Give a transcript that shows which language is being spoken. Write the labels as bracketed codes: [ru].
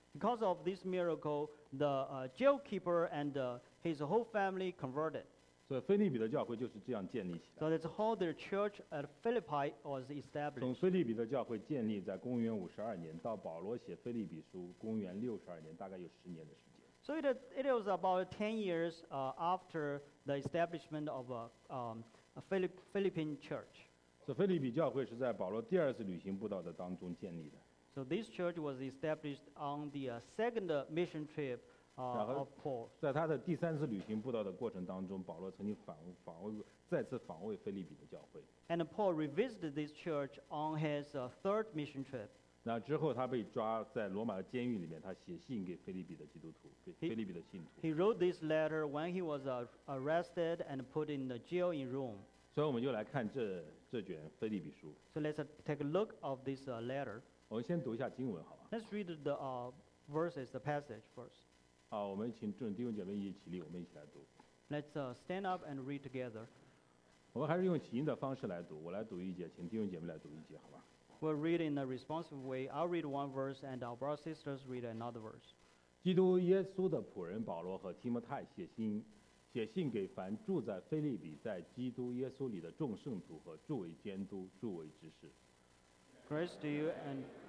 [en] Because of this miracle, the jailkeeper and his whole family converted. [zh] 所以腓立比的教会就是这样建立起来。 [en] So that's how the church at Philippi was established. [zh] 从腓立比的教会建立在公元52年到保罗写腓立比书公元62年，大概有10年的时间。 [en] So it was about 10 years after the establishment of a Philippine church. [zh] 所以腓立比教会是在保罗第二次旅行布道的当中建立的。 [en] So this church was established on the second mission trip of Paul. [zh] 在他的第三次旅行布道的过程当中，保罗曾经再次访问腓立比的教会。 [en] And Paul revisited this church on his third mission trip. [zh] 那之后他被抓在罗马的监狱里面，他写信给腓立比的基督徒，腓立比的信徒。 [en] He wrote this letter when he was arrested and put in the jail in Rome. [zh] 所以我们就来看这卷腓立比书。 [en] So let's take a look of this letter. [zh] 我们先读一下经文，好吧 [en] ？Let's read the verses, the passage first. [zh] 好，我们请众弟兄姐妹一起起立，我们一起来读。 [en] Let's stand up and read together. [zh] 我们还是用起音的方式来读，我来读一节，请弟兄姐妹来读一节，好吧 [en] ？We'll read in a responsive way. I'll read one verse, and our brothers and sisters read another verse. [zh] 基督耶稣的仆人保罗和提摩太写信给凡住在腓立比，在基督耶稣里的众圣徒和诸位监督、诸位执事。 [en] Grace to you and